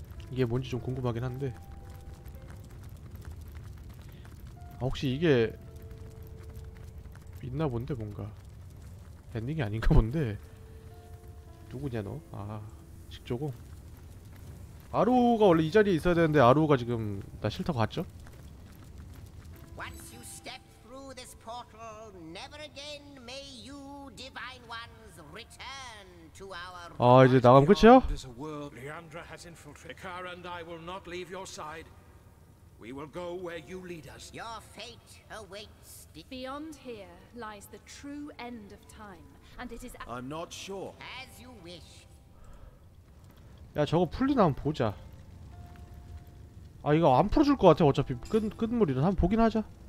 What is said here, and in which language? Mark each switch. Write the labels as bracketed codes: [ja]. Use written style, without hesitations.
[ko] 이게 뭔지 좀 궁금하긴 한데 혹시 이게 있나 본데. 뭔가 엔딩이 아닌가 본데. 누구냐 너? 아 식조공 아루가 원래 이 자리에 있어야 되는데 아루가 지금 나 싫다고 갔죠? [en] Once you step through this portal, never again may you divine ones return to our. [ko] 아 이제 나감 끝이야? [en] Leandra has infiltrated. Kara and I will not leave your side. We will go where you lead us. Your fate awaits. Beyond here lies the true end of time, and it is. I'm not sure. As you wish. [ko] 야 저거 풀리나 한번 보자. 아 이거 안 풀어줄 것 같아. 어차피 끝물이라 한번 보긴 하자.